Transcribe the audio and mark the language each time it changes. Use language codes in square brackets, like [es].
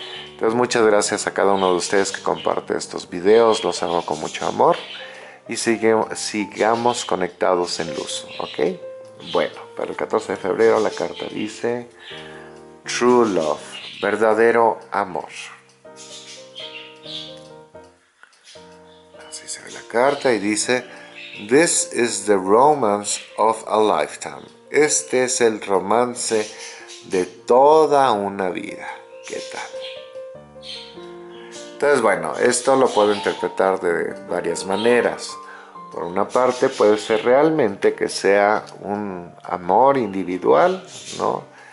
[es] Entonces, muchas gracias a cada uno de ustedes que comparte estos videos. Los hago con mucho amor. Y sigamos conectados en luz, ¿ok? Bueno, para el 14 de febrero la carta dice [en] True Love, [es] verdadero amor. Carta y dice: [en] This is the romance of a lifetime. [es] Este es el romance de toda una vida. ¿Qué tal? Entonces, bueno, esto lo puedo interpretar de varias maneras. Por una parte, puede ser realmente que sea un amor individual, ¿no?